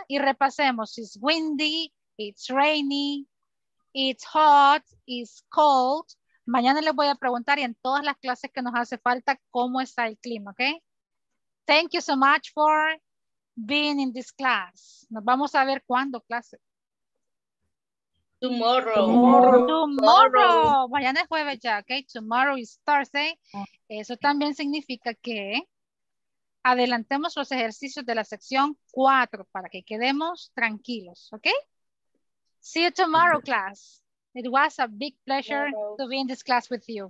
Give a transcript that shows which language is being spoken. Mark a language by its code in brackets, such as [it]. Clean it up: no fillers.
[es] Y repasemos, [en] it's windy, it's rainy, it's hot, it's cold. [es] Mañana les voy a preguntar y en todas las clases que nos hace falta, ¿cómo está el clima? [en] Okay? Thank you so much for being in this class. [es] Nos vamos a ver cuándo clase. [en] Tomorrow. [es] Mañana es jueves ya, ok. [en] Tomorrow is Thursday. [es] Eso también significa que adelantemos los ejercicios de la sección 4 para que quedemos tranquilos, ok. [en] See you tomorrow, class. It was a big pleasure to be in this class with you.